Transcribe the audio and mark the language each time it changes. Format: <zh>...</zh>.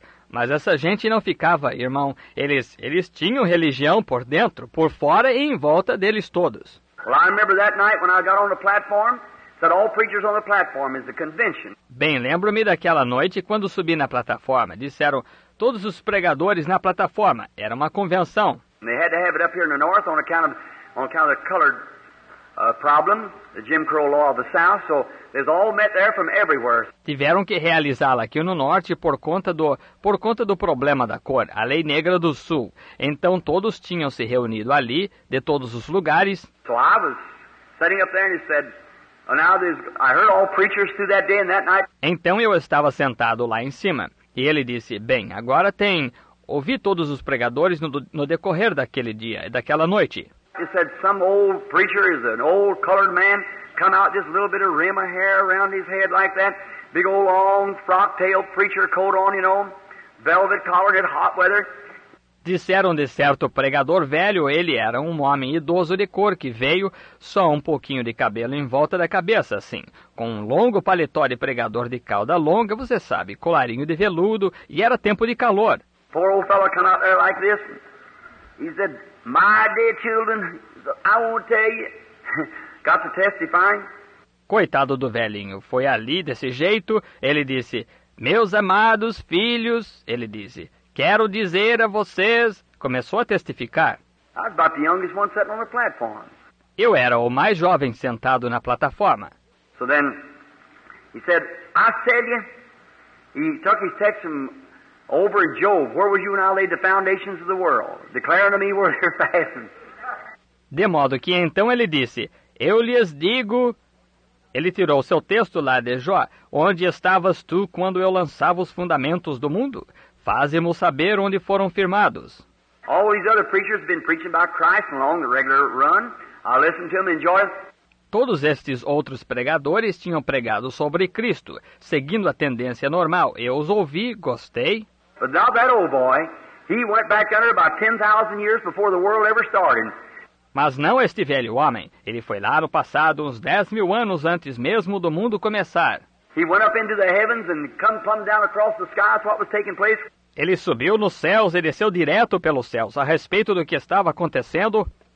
<pt>Mas essa gente não ficava, irmão. Eles tinham religião por dentro, por fora e em volta deles todos.</pt> <en>Well, I remember that night when I got on the platform, said all preachers on the platform is a convention.</en> <pt>Bem, lembro-me daquela noite quando subi na plataforma. Disseram, todos os pregadores na plataforma. Era uma convenção.</pt> <en>And they had to have it up here in the north on account of the colored... problem, the Jim Crow law of the South, so they've all met there from everywhere.</en> <pt>Tiveram que realizá-la aqui no norte por conta do problema da cor, a lei negra do sul. Então todos tinham se reunido ali, de todos os lugares.</pt> <en>So I was sitting up there and he said, well, now there's, I heard all preachers through that day and that night.</en> <pt>Então eu estava sentado lá em cima, e ele disse, bem, agora tem, ouvi todos os pregadores no decorrer daquele dia e daquela noite.</pt> <en>He said some old preacher is an old colored man come out just a little bit of rim of hair around his head like that big old long frock tail preacher coat on, you know, velvet collar in hot weather.</en> <pt>Disseram de certo pregador velho, ele era um homem idoso de cor que veio só um pouquinho de cabelo em volta da cabeça, assim, com um longo paletó de pregador de cauda longa, você sabe, colarinho de veludo, e era tempo de calor.</pt> <en>Poor old fellow come out there like this. He said, my dear children, I won't tell you. Got to testify.</en> <pt>Coitado do velhinho, foi ali desse jeito. Ele disse, meus amados filhos, ele disse, quero dizer a vocês. Começou a testificar.</pt> <en>I was about the youngest one sitting on the platform.</en> <pt>Eu era o mais jovem sentado na plataforma.</pt> <en>So then, he said, I tell you, he took his text from... Over in Job, where would you and I lay the foundations of the world, declaring to me where they're fastened?</en> <pt>De modo que então ele disse, eu lhes digo... Ele tirou seu texto lá de Jó, onde estavas tu quando eu lançava os fundamentos do mundo? Faze-mos saber onde foram firmados.</pt> <en>All these other preachers have been preaching about Christ along the regular run. I listen to them and enjoy.</en> <pt>Todos estes outros pregadores tinham pregado sobre Cristo, seguindo a tendência normal. Eu os ouvi, gostei.</pt> <en>But now that old boy, he went back under about 10,000 years before the world ever started.</en> <pt>Mas não este velho homem. Ele foi lá no passado uns 10 mil anos antes mesmo do mundo começar.</pt> <en>He went up into the heavens and come plumb down across the skies what was taking place.</en> <pt>Ele subiu nos céus e desceu direto pelos céus a respeito do que estava acontecendo.</pt>